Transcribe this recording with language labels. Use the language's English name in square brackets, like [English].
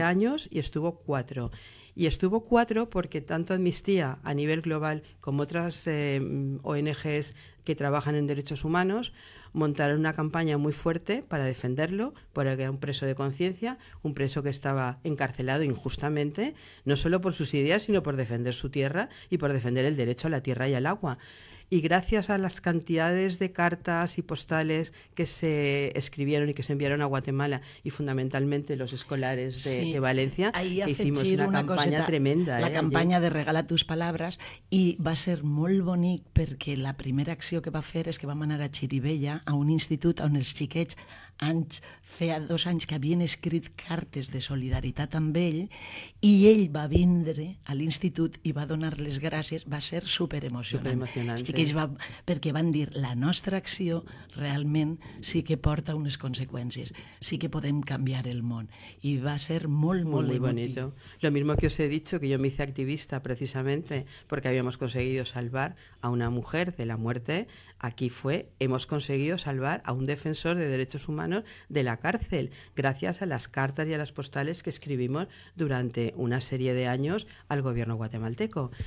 [Spanish] años y estuvo 4. Y estuvo 4 porque tanto Amnistía a nivel global como otras ONGs que trabajan en derechos humanos montaron una campaña muy fuerte para defenderlo, porque era un preso de conciencia, un preso que estaba encarcelado injustamente, no solo por sus ideas, sino por defender su tierra y por defender el derecho a la tierra y al agua. Y gracias a las cantidades de cartas y postales que se escribieron y que se enviaron a Guatemala y fundamentalmente los escolares de Valencia, ahí hicimos una campaña [Catalan] coseta, [Spanish] tremenda. La campaña de Regala tus palabras, y [Catalan] va a ser molt bonic perquè la primera acció que va fer és que va manar a Xirivella, a un institut on els xiquets anys, feia 2 anys que havien escrit cartes de solidaritat amb ell, i ell va vindre a l'institut i va donar les gràcies, va ser superemocionant. Sí que ells va, perquè van dir, la nostra acció realment sí que porta unes conseqüències, sí que podem canviar el món, i va ser molt, molt, molt bonic. [Spanish] Lo mismo que os he dicho, que yo me hice activista precisamente porque habíamos conseguido salvar a una mujer de la muerte, aquí fue, hemos conseguido salvar a un defensor de derechos humanos de la cárcel, gracias a las cartas y a las postales que escribimos durante una serie de años al gobierno guatemalteco.